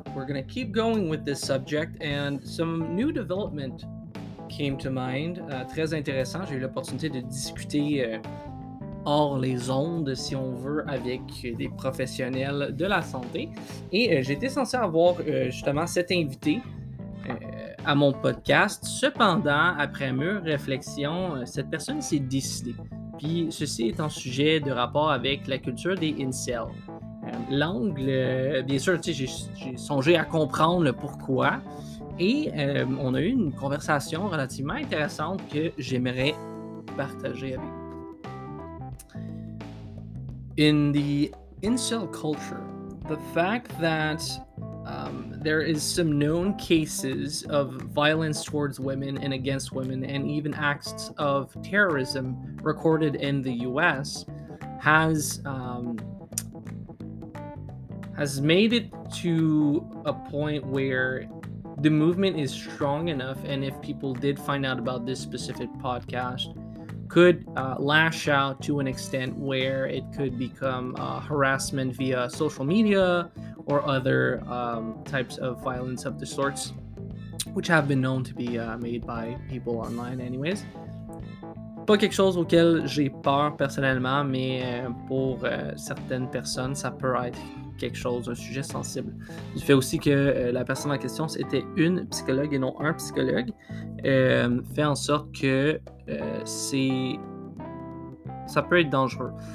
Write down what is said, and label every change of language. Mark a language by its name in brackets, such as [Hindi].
[English] We're going to keep going with this subject, and some new development came to mind. [French] Très intéressant. J'ai eu l'opportunité de discuter hors les ondes, si on veut, avec des professionnels de la santé. Et j'étais censé avoir justement cet invité à mon podcast. Cependant, après mûre réflexion, cette personne s'est décidée. Puis ceci est un sujet de rapport avec la culture des incels. L'angle, bien sûr, tu sais, j'ai songé à comprendre le pourquoi. Et on a eu une conversation relativement intéressante que j'aimerais partager avec vous. [English] In the incel culture, the fact that there is some known cases of violence towards women and against women, and even acts of terrorism recorded in the U.S., has made it to a point where the movement is strong enough, and if people did find out about this specific podcast, could lash out to an extent where it could become harassment via social media or other types of violence of the sorts, which have been known to be made by people online anyways. [French] Pas quelque chose auquel j'ai peur personnellement, mais pour certaines personnes, ça peut être quelque chose, un sujet sensible. Du fait aussi que la personne en question, c'était une psychologue et non un psychologue, fait en sorte que ça peut être dangereux.